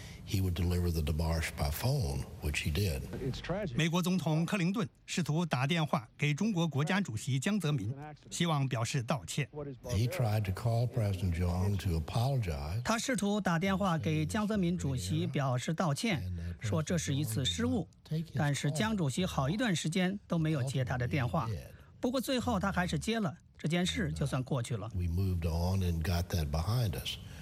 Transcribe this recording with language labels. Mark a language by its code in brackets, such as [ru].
[en] He would deliver the debarge by phone, which he did. [zh] 美国总统克林顿试图打电话给中国国家主席江泽民，希望表示道歉。 [en] He tried to call President Zhang to apologize. [zh] 他试图打电话给江泽民主席表示道歉，说这是一次失误。但是江主席好一段时间都没有接他的电话。不过最后他还是接了，这件事就算过去了。 [en] We moved on and got that behind us.